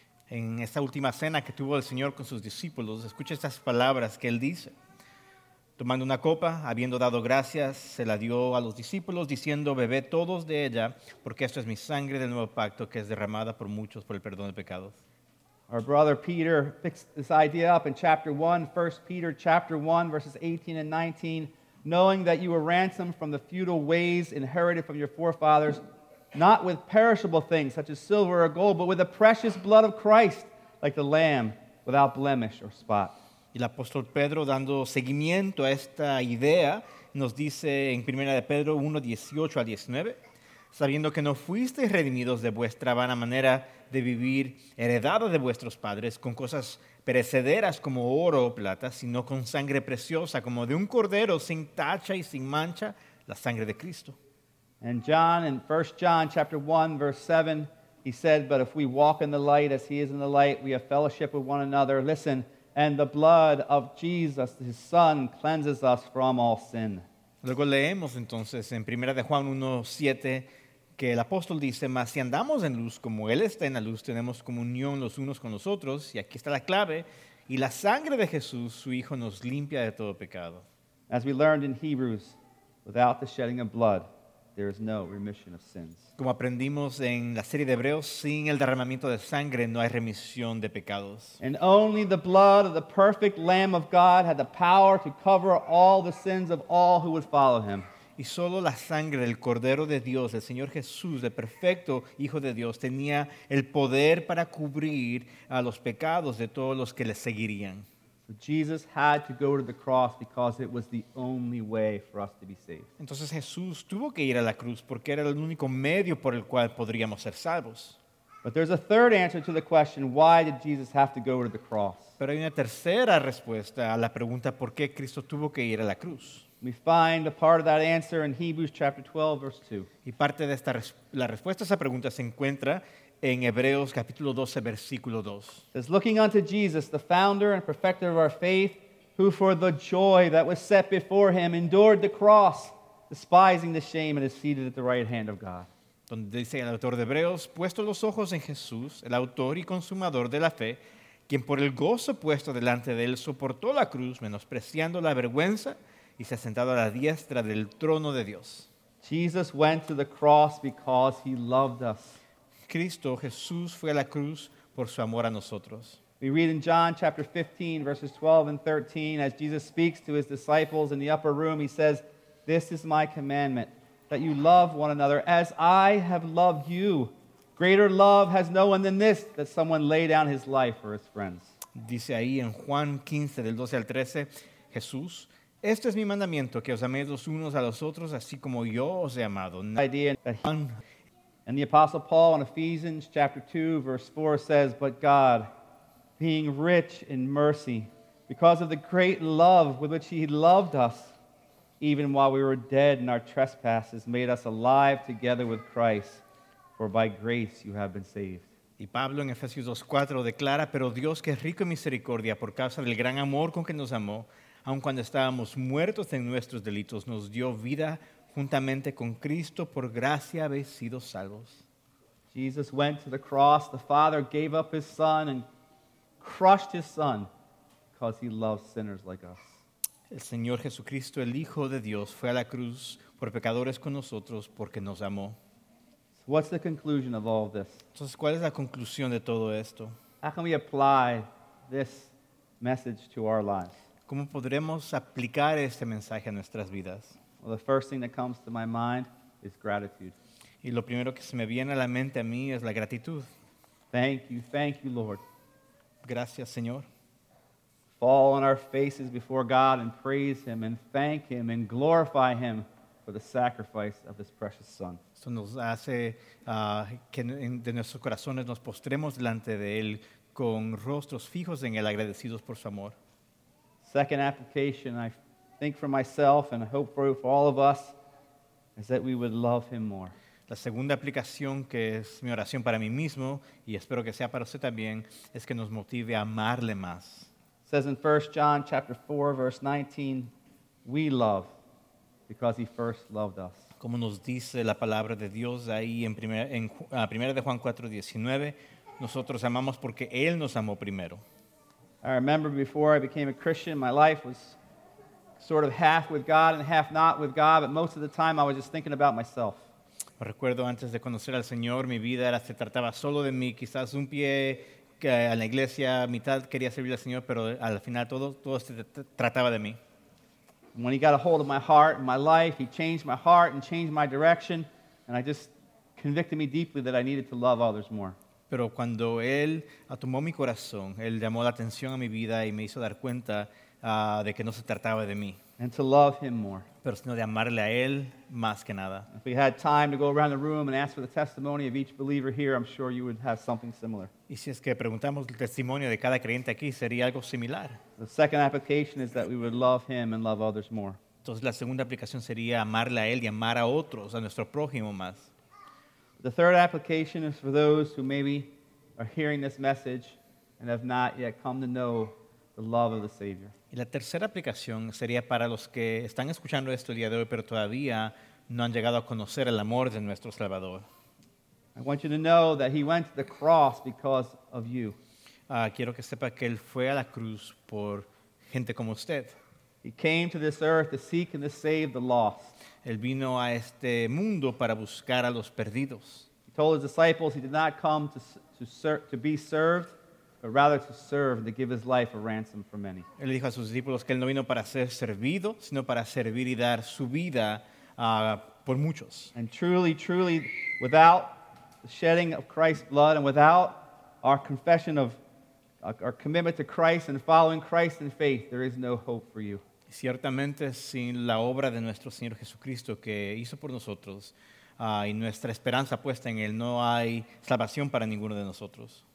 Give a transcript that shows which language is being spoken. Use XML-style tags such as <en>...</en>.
<es>En esta última cena que tuvo el Señor con sus discípulos, escucha estas palabras que Él dice. Tomando una copa, habiendo dado gracias, se la dio a los discípulos, diciendo, "Bebed todos de ella, porque esto es mi sangre del nuevo pacto, que es derramada por muchos por el perdón de pecados."</es> <en>Our brother Peter picks this idea up in chapter 1, 1 Peter chapter 1, verses 18 and 19. "Knowing that you were ransomed from the futile ways inherited from your forefathers, not with perishable things such as silver or gold, but with the precious blood of Christ, like the Lamb without blemish or spot."</en> <es>Y el apóstol Pedro, dando seguimiento a esta idea, nos dice en 1 de Pedro 1, 18 al 19, "Sabiendo que no fuisteis redimidos de vuestra vana manera de vivir, heredada de vuestros padres, con cosas perecederas como oro o plata, sino con sangre preciosa, como de un cordero sin tacha y sin mancha, la sangre de Cristo."</es> <en>And John, in 1 John chapter 1, verse 7, he said, "But if we walk in the light as he is in the light, we have fellowship with one another." Listen, "and the blood of Jesus, his Son, cleanses us from all sin."</en> <es>Luego leemos entonces en 1 de Juan 1, 7, que el apóstol dice, "Mas si andamos en luz como él está en la luz, tenemos comunión los unos con los otros." Y aquí está la clave. "Y la sangre de Jesús, su Hijo, nos limpia de todo pecado."</es> <en>As we learned in Hebrews, without the shedding of blood, there is no remission of sins.</en> <es>Como aprendimos en la serie de Hebreos, sin el derramamiento de sangre no hay remisión de pecados.</es> <en>And only the blood of the perfect Lamb of God had the power to cover all the sins of all who would follow him.</en> <es>Y solo la sangre del Cordero de Dios, el Señor Jesús, el perfecto Hijo de Dios, tenía el poder para cubrir a los pecados de todos los que le seguirían.</es> <en>Jesus had to go to the cross because it was the only way for us to be saved.</en> <es>Entonces Jesús tuvo que ir a la cruz porque era el único medio por el cual podríamos ser salvos.</es> <en>But there's a third answer to the question, why did Jesus have to go to the cross?</en> <es>Pero hay una tercera respuesta a la pregunta por qué Cristo tuvo que ir a la cruz.</es> <en>We find a part of that answer in Hebrews chapter 12, verse 2.</en> <es>Y parte de esta la respuesta a esa pregunta se encuentra en Hebreos capítulo 12, versículo 2.</es> <en>It's looking unto Jesus, the founder and perfecter of our faith, who for the joy that was set before him endured the cross, despising the shame, and is seated at the right hand of God.</en> <es>Donde dice el autor de Hebreos, "Puesto los ojos en Jesús, el autor y consumador de la fe, quien por el gozo puesto delante de él soportó la cruz, menospreciando la vergüenza, y se ha sentado a la diestra del trono de Dios."</es> <en>Jesus went to the cross because he loved us.</en> <es>Cristo Jesús fue a la cruz por su amor a nosotros.</es> <en>We read in John chapter 15, verses 12 and 13, as Jesus speaks to his disciples in the upper room, he says, "This is my commandment, that you love one another as I have loved you. Greater love has no one than this, that someone lay down his life for his friends."</en> <es>Dice ahí en Juan 15, del 12 al 13, Jesús, "Este es mi mandamiento, que os améis los unos a los otros, así como yo os he amado."</es> <en>And the Apostle Paul in Ephesians chapter 2, verse 4 says, "But God, being rich in mercy, because of the great love with which he loved us, even while we were dead in our trespasses, made us alive together with Christ, for by grace you have been saved."</en> <es>Y Pablo en Efesios 2:4 declara, "Pero Dios, que es rico en misericordia, por causa del gran amor con que nos amó, aun cuando estábamos muertos en nuestros delitos, nos dio vida juntamente con Cristo, por gracia habéis sido salvos."</es> <en>Jesus went to the cross. The Father gave up his Son and crushed his Son because he loves sinners like us.</en> <es>El Señor Jesucristo, el Hijo de Dios, fue a la cruz por pecadores con nosotros porque nos amó.</es> <en>So what's the conclusion of all of this?</en> <es>Entonces, ¿cuál es la conclusión de todo esto?</es> <en>How can we apply this message to our lives?</en> <es>¿Cómo podremos aplicar este mensaje a nuestras vidas?</es> <en>Well, the first thing that comes to my mind is gratitude.</en> <es>Y lo primero que se me viene a la mente a mí es la gratitud.</es> <en>Thank you, Lord.</en> <es>Gracias, Señor.</es> <en>Fall on our faces before God and praise Him and thank Him and glorify Him for the sacrifice of His precious Son.</en> <es>Esto nos hace que de nuestros corazones nos postremos delante de Él con rostros fijos en Él, agradecidos por su amor.</es> <en>Second application I think for myself and I hope for all of us is that we would love him more.</en> <es>La segunda aplicación que es mi oración para mí mismo y espero que sea para usted también es que nos motive a amarle más.</es> <en>It says in 1 John chapter 4 verse 19, we love because he first loved us.</en> <es>Como nos dice la palabra de Dios ahí en primera de Juan 4:19, nosotros amamos porque él nos amó primero.</es> <en>I remember before I became a Christian, my life was sort of half with God and half not with God, but most of the time I was just thinking about myself.</en> <es>Recuerdo antes de conocer al Señor, mi vida se trataba solo de mí, quizás un pie a la iglesia, mitad quería servir al Señor, pero al final todo se trataba de mí.</es> <en>When he got a hold of my heart and my life, he changed my heart and changed my direction, and I just convicted me deeply that I needed to love others more.</en> <es>Pero cuando él tomó mi corazón, él llamó la atención a mi vida y me hizo dar cuenta de que no se trataba de mí.</es> <en>And to love him more.</en> <es>Pero sino de amarle a él más que nada.</es> <en>If we had time to go around the room and ask for the testimony of each believer here, I'm sure you would have something similar.</en> <es>Y si es que preguntamos el testimonio de cada creyente aquí, sería algo similar.</es> <en>The second application is that we would love him and love others more.</en> <es>Entonces la segunda aplicación sería amarle a él y amar a otros, a nuestro prójimo más.</es> <en>The third application is for those who maybe are hearing this message and have not yet come to know the love of the Savior.</en> <es>Y la tercera aplicación sería para los que están escuchando esto el día de hoy, pero todavía no han llegado a conocer el amor de nuestro Salvador.</es> <en>I want you to know that he went to the cross because of you.</en> <es>Quiero que sepa que él fue a la cruz por gente como usted.</es> <en>He came to this earth to seek and to save the lost.</en> <es>Él vino a este mundo para buscar a los perdidos.</es> <en>He told his disciples he did not come to be served, but rather to serve and to give his life a ransom for many.</en> <es>Él dijo a sus discípulos que él no vino para ser servido, sino para servir y dar su vida por muchos.</es> <en>And truly, truly, without the shedding of Christ's blood and without our confession of our commitment to Christ and following Christ in faith, there is no hope for you.</en> <es>Ciertamente sin la obra de nuestro Señor Jesucristo que hizo por nosotros y nuestra esperanza puesta en Él, no hay salvación para ninguno de nosotros.</es>